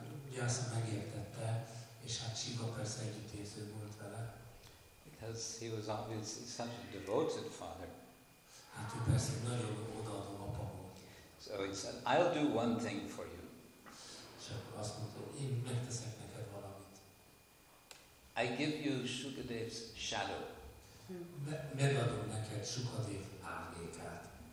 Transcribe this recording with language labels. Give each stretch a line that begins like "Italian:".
Hungarian: Vyasa megértette, és hát Shiva persze együttérző volt vele.
English: Because he was obviously such a devoted father.
Hungarian: Hát ő persze nagyon odaadó apa volt.
English: So he said, I'll do one thing for you.
Hungarian: És akkor azt mondta, én megteszek neked valamit.
English: I give you Shukadev's shadow.
Hungarian: Megadom neked Shukadev árnyékát.